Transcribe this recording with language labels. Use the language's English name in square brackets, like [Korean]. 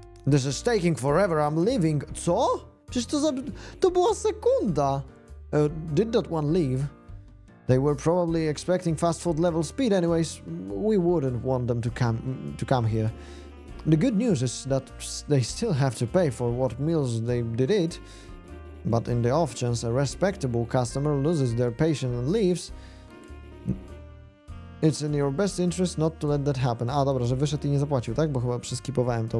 [English] This is taking forever, I'm leaving. [Polish] Co? Przecież to była sekunda. [English] Did that one leave? They were probably expecting fast food level speed anyways. We wouldn't want them to come here. The good news is that they still have to pay for what meals they did eat. But in the off chance a respectable customer loses their patience and leaves, it's in your best interest not to let that happen. [Polish] A, dobra, że wyszedł i nie zapłacił, tak? Bo chyba przeskipowałem to.